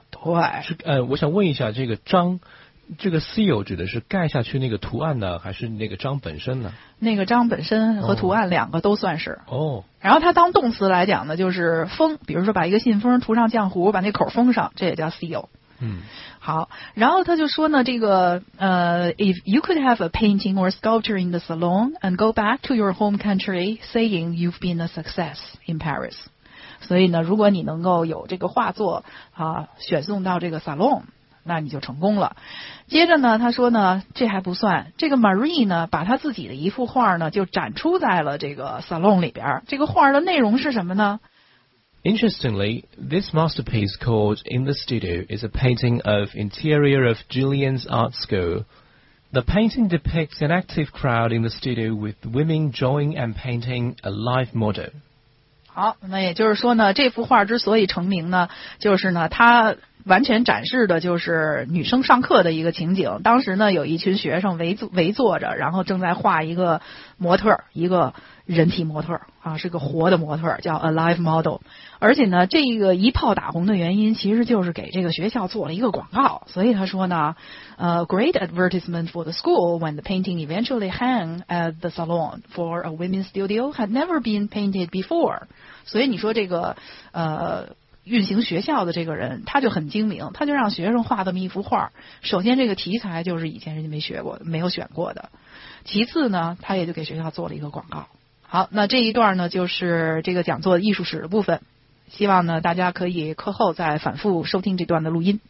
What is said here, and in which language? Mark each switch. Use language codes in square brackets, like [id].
[zh] 对。是我想问一下这个章。这个 seal 指的是盖下去那个图案呢，还是那个章本身呢？那个章本身和图案两个都算是。哦。然后它当动词来讲呢，就是封，比如说把一个信封涂上浆糊，把那口封上，这也叫 seal。嗯。好，然后他就说呢，这个 [en] if you could have a painting or sculpture in the salon and go back to your home country saying you've been a success in Paris。 [zh] 所以呢，如果你能够有这个画作啊选送到这个 salon。那你就成功了。接着呢，他说呢，这还不算，这个 Marie 呢把他自己的一幅画呢就展出在了这个 salon 里边。这个画的内容是什么呢？ [en] Interestingly, this masterpiece called In the Studio is a painting of interior of Julian's art school. The painting depicts an active crowd in the studio with women drawing and painting a live model. [zh] 好，那也就是说呢，这幅画之所以成名呢，就是呢他完全展示的就是女生上课的一个情景。当时呢有一群学生围坐着，然后正在画一个模特，一个人体模特啊，是个活的模特，叫 a live model。而且呢这个一炮打红的原因其实就是给这个学校做了一个广告。所以他说呢 [en] great advertisement for the school when the painting eventually hang at the salon for a women's studio had never been painted before。 [zh] 所以你说这个运行学校的这个人他就很精明，他就让学生画这么一幅画，首先这个题材就是以前人家没学过，没有选过的，其次呢他也就给学校做了一个广告。好，那这一段呢就是这个讲座艺术史的部分，希望呢大家可以课后再反复收听这段的录音。